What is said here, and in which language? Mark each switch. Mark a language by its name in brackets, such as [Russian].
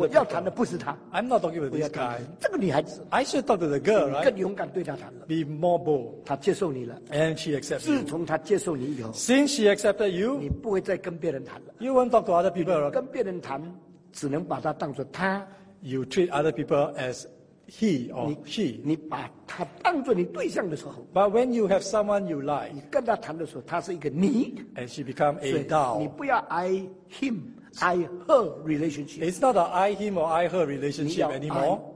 [Chinese] 我要谈的不是他。 [English] I'm not talking with this guy. [Chinese] 这个女孩子 [English] I should talk to the girl, right? [Chinese] 更勇敢对她谈了 [English] Be more bold. [Chinese] 她接受你了 [English] And she accepts you. [Chinese] 自从她接受你以后 [English] Since she accepted you, [Chinese] 你不会再跟别人谈了 [English] You won't talk to other people. [Chinese] 你跟别人谈只能把她当作她 [English] You treat other people as he or she. [Chinese] 你把她当作你对象的时候 [English] But when you have someone you like, [Chinese] 你跟她谈的时候她是一个你 [English] And she become a doll. [Chinese] 你不要 [English] I him. I her relationship. It's not an I him or I her relationship anymore.